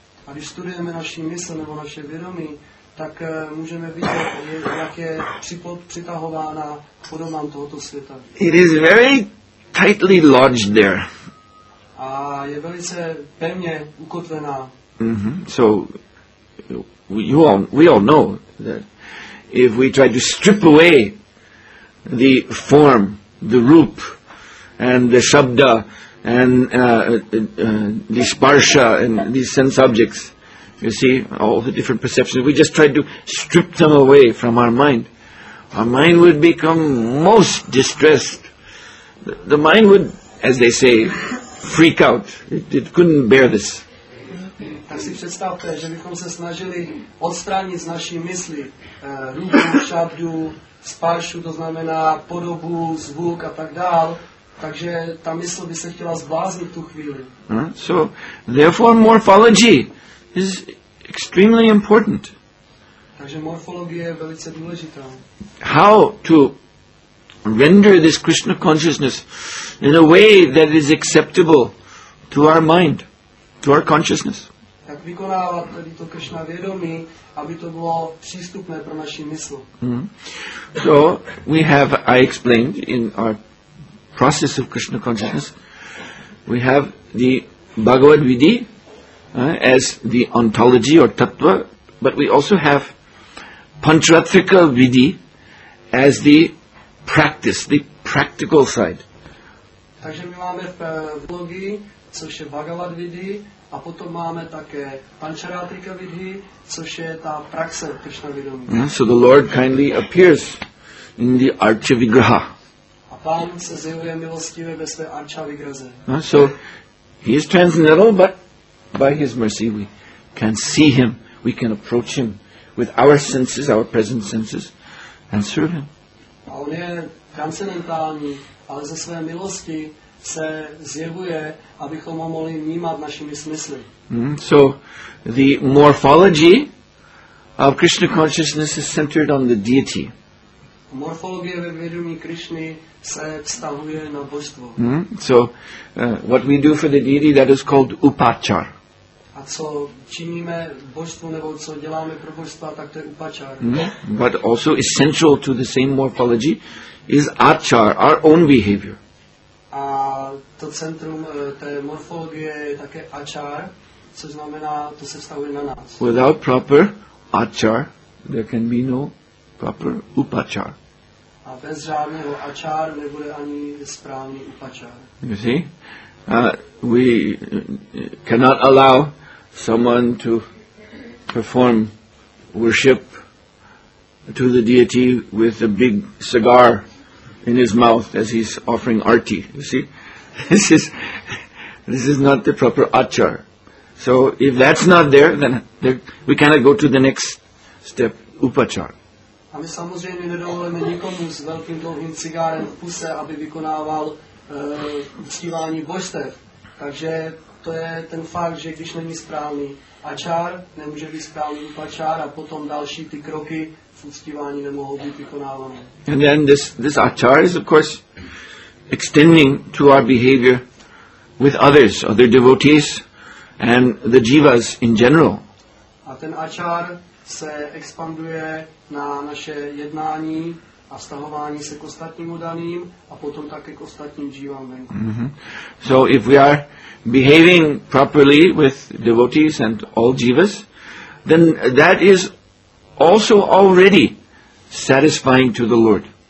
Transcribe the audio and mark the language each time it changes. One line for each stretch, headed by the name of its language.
Czech: A když studujeme naši mysl nebo naše vědomí, tak můžeme vidět, jak je přitahována podobám tohoto světa.
English: It is very tightly lodged there.
Czech: A je velice pevně ukotvená.
English: So we all know that if we try to strip away the form, the roop, and the shabda, and the sparsha, and these sense objects, you see, all the different perceptions, if we just try to strip them away from our mind would become most distressed. The mind would, as they say, freak out. It couldn't bear this.
Czech: Tak si představte, že bychom se snažili odstranit z naší mysli rupu, šabdu, sparšu, to znamená podobu, zvuk a tak dál, takže ta mysl by se chtěla zbláznit tu chvíli.
English: So, therefore morphology is extremely important.
Czech: Takže morfologie je velice důležitá.
English: How to render this Krishna consciousness in a way that is acceptable to our mind, to our consciousness.
Czech: Jak vykonávat tady to Krishna vědomí, aby to bylo přístupné pro naši mysl.
English: So we have, I explained, in our process of Krishna consciousness, we have the Bhagavad Vidhi as the ontology or tattva, but we also have Pancharatrika Vidhi as the practice, the practical side.
Czech: Takže my máme v logi, což je Bhagavad Vidhi, a potom máme také Pancharatrika Vidhi, což je ta praxe Krishna vědomí.
English: So the Lord kindly appears in the Archa Vigraha.
Czech: A Pán se zjevuje milostivě ve své Archa Vigraze.
English: So he is transcendental, but by his mercy we can see him, we can approach him with our senses, our present senses, and serve him.
Czech: A on je transcendentální, ale ze své milosti se zjevuje, abychom ho mohli vnímat našimi smysly.
English: So the morphology of Krishna consciousness is centered on the deity.
Czech: Morfologie ve vědomí Krishny se vztahuje na božstvo.
English: So what we do for the deity, that is called upachar.
Czech: A co činíme božstvu nebo co děláme pro božstva, tak to je upachar.
English: But also essential to the same morphology is achar, our own behavior.
Czech: A to centrum té morfologie je také achar, což znamená, to se vztahuje na nás.
English: Without proper achar, there can be no proper upachar.
Czech: A bez žádného achar nebude ani správný upachar.
English: You see? We cannot allow someone to perform worship to the deity with a big cigar in his mouth as he's offering arti. You see, this is not the proper achar. So if that's not there, then we cannot go to the next step, upachar.
Czech: A my samozřejmě nedovolíme nikomu s velkým dlouhým cigárem v puse, aby vykonával uctívání božstev. Takže to je ten fakt, že když není správný achar, nemůže být správný upachar a potom další ty kroky v uctívání nemohou být vykonávány.
English: And then this achar is of course extending to our behavior with others, other devotees and the jivas in general.
Czech: A ten achar se expanduje na naše jednání a vztahování se k ostatním udaným a potom také k ostatním jívám venku. Mm-hmm.
English: So if we are behaving properly with devotees and all jivas, then that is also already satisfying to the Lord.